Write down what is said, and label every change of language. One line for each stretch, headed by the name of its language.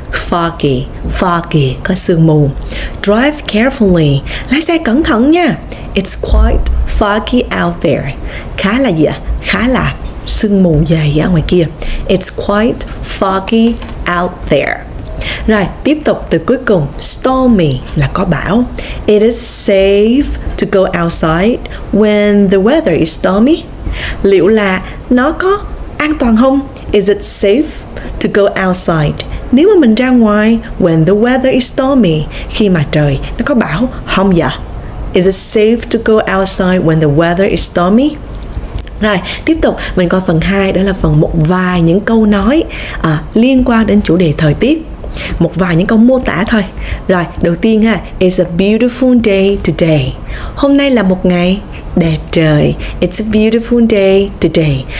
Vietnamese: Foggy, foggy, có sương mù.
English: Drive carefully,
Vietnamese: lái xe cẩn thận nha.
English: It's quite foggy out there.
Vietnamese: Khá là gì ạ? Khá là sương mù dày ở ngoài kia.
English: It's quite foggy out there.
Vietnamese: Rồi, tiếp tục từ cuối cùng, stormy là có bão.
English: It is safe to go outside when the weather is stormy.
Vietnamese: Liệu là nó có an toàn không?
English: Is it safe to go outside?
Vietnamese: Nếu mà mình ra ngoài,
English: when the weather is stormy,
Vietnamese: khi mà trời nó có bão, không dạ?
English: Is it safe to go outside when the weather is stormy?
Vietnamese: Rồi, tiếp tục, mình coi phần 2, đó là phần một vài những câu nói liên quan đến chủ đề thời tiết. Một vài những câu mô tả thôi. Rồi, đầu tiên ha,
English: it's a beautiful day today.
Vietnamese: Hôm nay là một ngày đẹp trời.
English: It's a beautiful day today.